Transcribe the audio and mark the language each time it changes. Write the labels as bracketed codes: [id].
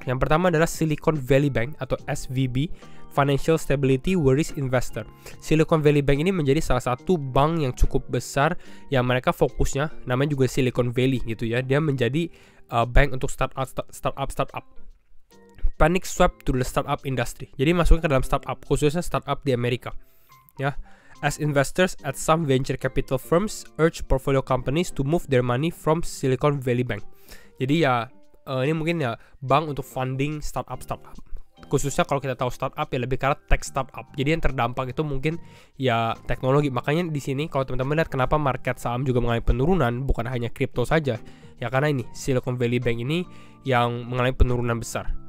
[id] Yang pertama adalah Silicon Valley Bank atau SVB, [en] Financial Stability Worries Investor. [id] Silicon Valley Bank ini menjadi salah satu bank yang cukup besar yang mereka fokusnya, namanya juga Silicon Valley gitu ya. Dia menjadi bank untuk startup. [en] Panic swept to the startup industry. [id] Jadi masuknya ke dalam startup, khususnya startup di Amerika. Ya. [en] As investors at some venture capital firms urge portfolio companies to move their money from Silicon Valley Bank. [id] Jadi ya ini mungkin ya bank untuk funding startup. Khususnya kalau kita tahu startup ya lebih karena tech startup. Jadi yang terdampak itu mungkin ya teknologi. Makanya di sini kalau teman-teman lihat kenapa market saham juga mengalami penurunan, bukan hanya kripto saja. Ya karena ini Silicon Valley Bank ini yang mengalami penurunan besar.